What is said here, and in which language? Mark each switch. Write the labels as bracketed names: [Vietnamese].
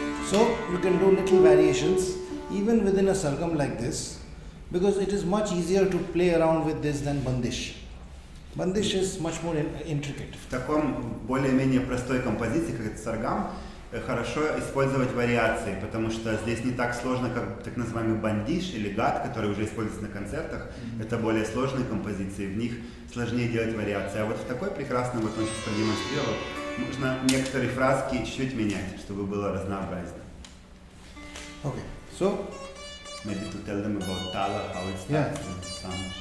[English] Even within a sargam like this, because it is much easier to play around with this than bandish. Bandish is much more intricate. [Russian] В таком более-менее простой композиции, как это саргам, хорошо использовать вариации, потому что здесь не так сложно, как так называемый бандиш или гад, который уже используется на концертах. Mm-hmm. Это более сложные композиции, в них сложнее делать вариации. А вот в такой прекрасной, вот он сейчас продемонстрировал, можно некоторые фразки чуть-чуть менять, чтобы было разнообразно. [English] Okay, so maybe to tell them about Tala, how it starts with the sound.